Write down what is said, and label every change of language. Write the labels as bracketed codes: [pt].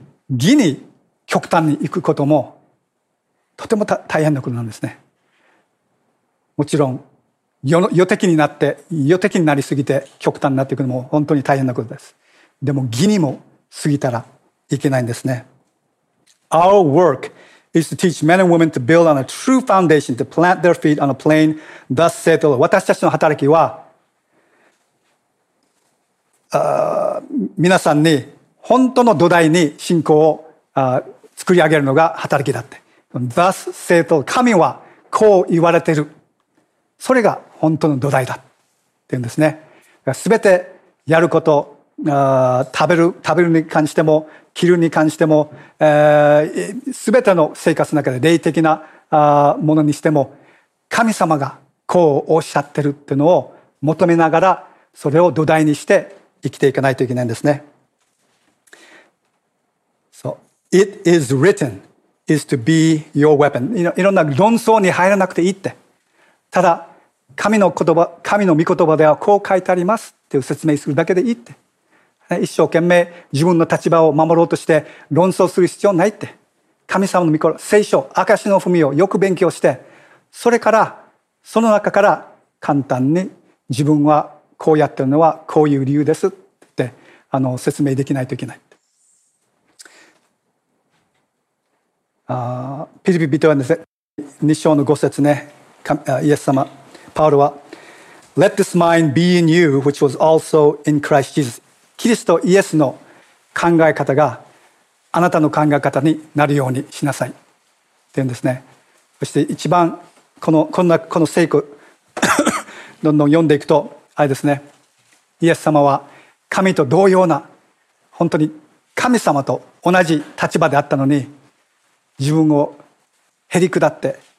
[ja] 義に極端に行くこともとても大変なことなんですね。もちろん予的になって、予的になりすぎて極端になっていくのも本当に大変なことです。でも義にも過ぎたらいけないんですね。 [en] Our work is to teach men and women to build on a true foundation, to plant their feet on a plain, thus settle. [ja] 私たちの働きは皆さんに本当の土台に信仰を作り上げるのが働きだって。 [en] Thus settle. [ja] 神はこう言われている、それが本当の土台だ。ていうんですね。全てやること、食べるに関しても着るに関しても、全ての生活の中で霊的なものにしても、神様がこうおっしゃってるっていうのを求めながら、それを土台にして生きていかないといけないんですね。 [en] So, it is written is to be your weapon. [ja] いろんな論争に入らなくていいって。ただ、神の言葉、神の御言葉ではこう書いてありますっていう説明するだけでいいって。一生懸命自分の立場を守ろうとして論争する必要ないって。神様の御言葉、聖書、証の文をよく勉強して、それから、その中から簡単に自分はこうやってるのはこういう理由ですって説明できないといけない。ピリピ人はですね、2章の5節ね、イエス様、パウロは、 [en] Let this mind be in you, which was also in Christ Jesus. [ja] キリストイエスの考え方があなたの考え方になるようにしなさい。って言うんですね。そして一番この聖句どんどん読んでいくと、あれですね、イエス様は神と同様な、本当に神様と同じ立場であったのに、自分をへり下って、